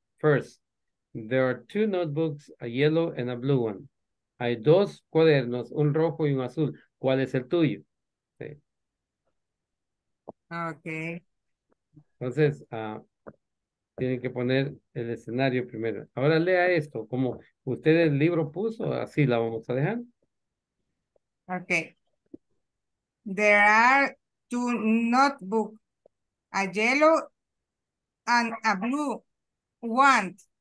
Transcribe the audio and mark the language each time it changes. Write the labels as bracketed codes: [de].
[en] First, there are two notebooks, a yellow and a blue one. [es] Hay dos cuadernos, un rojo y un azul. ¿Cuál es el tuyo? Sí. [en] Okay. [es] Entonces, tienen que poner el escenario primero. Ahora lea esto, como usted el libro puso, así la vamos a dejar. [en] Okay. There are two notebooks, a yellow and a blue one.